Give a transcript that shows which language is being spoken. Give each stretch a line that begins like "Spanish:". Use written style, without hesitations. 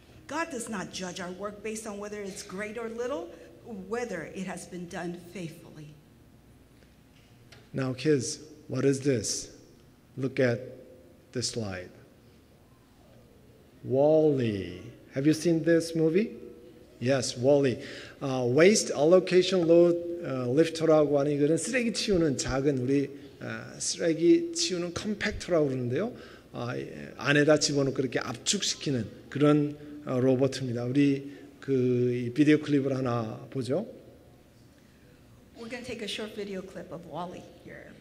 English: God does not judge our work based on whether it's great or little, whether it has been done faithfully. Now, kids, what is this? Look at the slide. Wall-E. Have you seen this movie? Yes, Wall-E.
Korean: Waste allocation load lifter라고 하는 이거는 쓰레기 치우는 작은 우리 쓰레기 치우는 컴팩터라고 그러는데요. 안에다 집어넣고 그렇게 압축시키는 그런 로봇입니다. 우리 그 비디오 클립을 하나 보죠.
English: We're going to take a short video clip of Wall-E here.